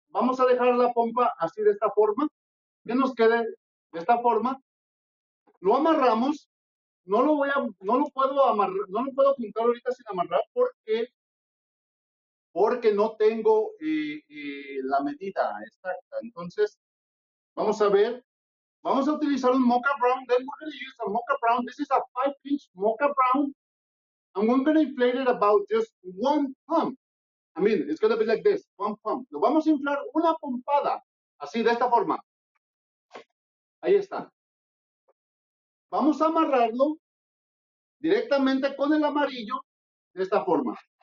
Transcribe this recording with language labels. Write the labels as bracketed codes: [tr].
[es] Vamos a dejar la pompa así de esta forma, que nos quede de esta forma. Lo amarramos, no lo puedo pintar ahorita sin amarrar porque no tengo la medida exacta. Entonces, vamos a ver, vamos a utilizar un mocha brown. [en] Then we're going to use a mocha brown. This is a 5-inch mocha brown. I'm going to inflate it about just one pump. I mean, it's going to be like this, one pump. [es] Lo vamos a inflar una pompada, así, de esta forma. Ahí está. Vamos a amarrarlo directamente con el amarillo, de esta forma.